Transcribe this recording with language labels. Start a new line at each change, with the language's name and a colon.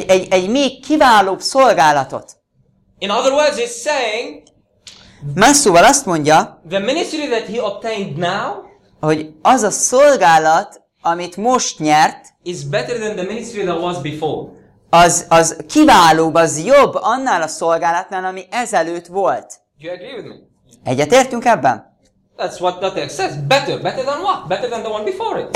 Hungarian: Egy még kiválóbb szolgálatot.
English: In other words, he's saying,
Hungarian: más szóval azt mondja,
English: the ministry that he obtained now,
Hungarian: hogy az a szolgálat, amit most nyert,
English: is better than the ministry that was before.
Hungarian: Az kiválóbb, az jobb annál a szolgálatnál, ami ezelőtt volt.
English: Do you agree with me?
Hungarian: Egyetértünk ebben?
English: That's what the text says. Better than what? Better than the one before it.